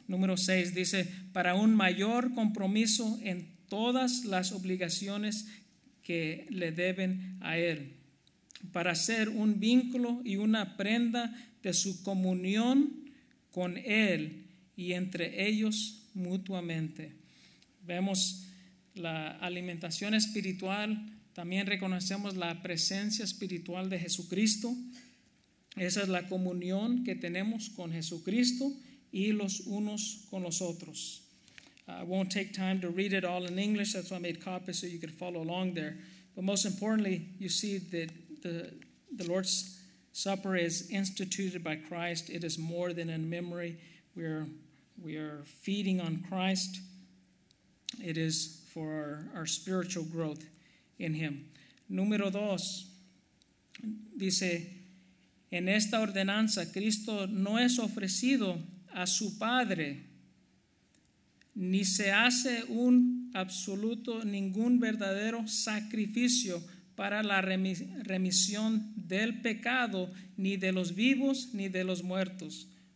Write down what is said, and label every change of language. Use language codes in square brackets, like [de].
[es] Número 6 dice, para un mayor compromiso en todas las obligaciones que le deben a él, para ser un vínculo y una prenda de su comunión con él y entre ellos mutuamente. Vemos la alimentación espiritual, también reconocemos la presencia espiritual de Jesucristo. Esa es la comunión que tenemos con Jesucristo y los unos con los otros. [en] I won't take time to read it all in English. That's why I made copies so you could follow along there. But most importantly, you see that the Lord's Supper is instituted by Christ. It is more than a memory. We are feeding on Christ. It is for our spiritual growth in Him. [es] Número 2 dice, en esta ordenanza, Cristo no es ofrecido a su Padre, ni se hace un absoluto, ningún verdadero sacrificio para la remisión del pecado, ni de los vivos, ni de los muertos.